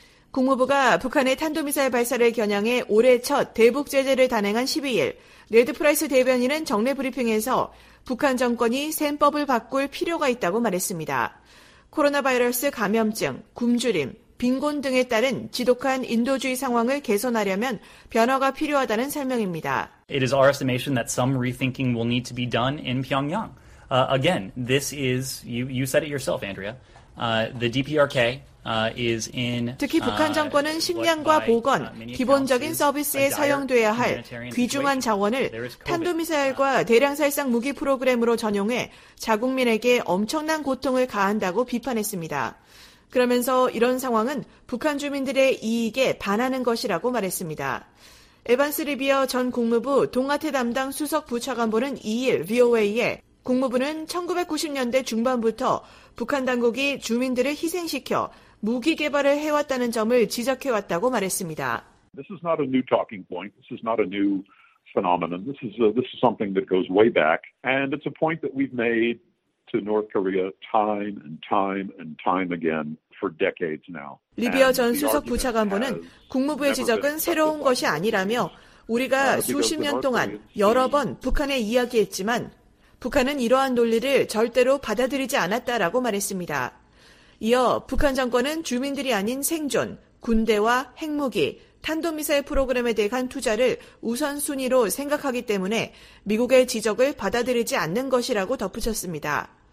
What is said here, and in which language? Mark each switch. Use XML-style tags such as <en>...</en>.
<ko>국무부가 북한의 탄도미사일 발사를 겨냥해 올해 첫 대북 제재를 단행한 12일 레드 프라이스 대변인은 정례 브리핑에서 북한 정권이 셈법을 바꿀 필요가 있다고 말했습니다. 코로나 바이러스 감염증, 굶주림, 빈곤 등에 따른 지독한 인도주의 상황을 개선하려면 변화가 필요하다는 설명입니다.</ko> <en>It is our estimation that some rethinking will need to be done in Pyongyang. Again, this is you said it yourself, Andrea. The DPRK is in</en> <ko>특히 북한 정권은 식량과 보건, 기본적인 서비스에 사용돼야 할 귀중한 자원을 탄도미사일과 대량살상 무기 프로그램으로 전용해 자국민에게 엄청난 고통을 가한다고 비판했습니다. 그러면서 이런 상황은 북한 주민들의 이익에 반하는 것이라고 말했습니다. 에반스 리비어 전 국무부 동아태 담당 수석 부차관보는 2일 VOA에 국무부는 1990년대 중반부터 북한 당국이 주민들을 희생시켜 무기 개발을 해왔다는 점을 지적해왔다고 말했습니다.</ko> <en>This is not a new talking point. This is not a new phenomenon. This is something that goes way back. And it's a point that we've made to North Korea time and time and time again for decades now.</en> <ko>리비어 전 수석 부차관보는 국무부의 지적은 새로운 것이 아니라며 우리가 수십 년 동안 여러 번 북한에 이야기했지만 북한은 이러한 논리를 절대로 받아들이지 않았다라고 말했습니다. 이어 북한 정권은 주민들이 아닌 생존, 군대와 핵무기, 탄도미사일 프로그램에 대한 투자를 우선순위로 생각하기 때문에 미국의 지적을 받아들이지 않는 것이라고 덧붙였습니다.</ko>